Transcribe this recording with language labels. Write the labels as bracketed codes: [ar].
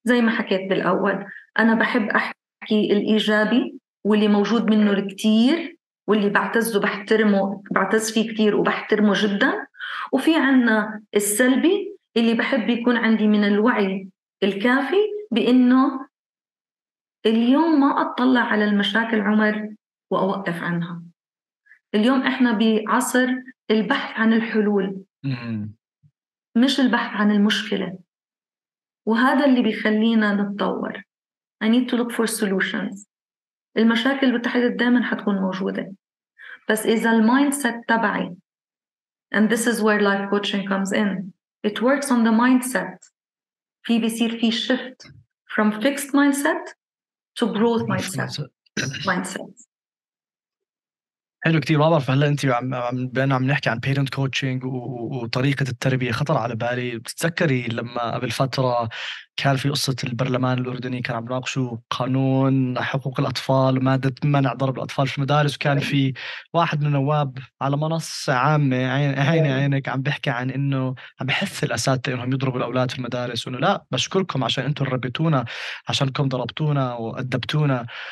[ar] زي ما حكيت بالأول، أنا بحب أحكي الإيجابي واللي موجود منه الكتير واللي بعتز وبحترمه، بعتز فيه كتير وبحترمه جدا، وفي عنا السلبي اللي بحب يكون عندي من الوعي الكافي بإنه اليوم ما أطلع على المشاكل عمر وأوقف عنها. اليوم إحنا بعصر البحث عن الحلول مش البحث عن المشكلة، وهذا اللي بيخلينا نتطور. [en] I need to look for solutions. [ar] المشاكل بتحدد دائما حتكون موجودة، بس إذا المايندسيت تبعي، [en] and this is where life coaching comes in, it works on the mindset. [ar] في بيصير في [en] shift from fixed mindset to growth mindset. [ar] حلو كتير. ما بعرف هلا انت عم نحكي عن parent coaching وطريقة التربية، خطر على بالي بتتذكري لما قبل فترة كان في قصة البرلمان الأردني كان عم ناقشوا قانون حقوق الأطفال ومادة منع ضرب الأطفال في المدارس، وكان في واحد من النواب على منصة عامة عينك عم بيحكي عن إنه عم بحث الأساتذة إنهم يضربوا الأولاد في المدارس، وإنه لا بشكركم عشان أنتم ربيتونا عشانكم ضربتونا وأدبتونا.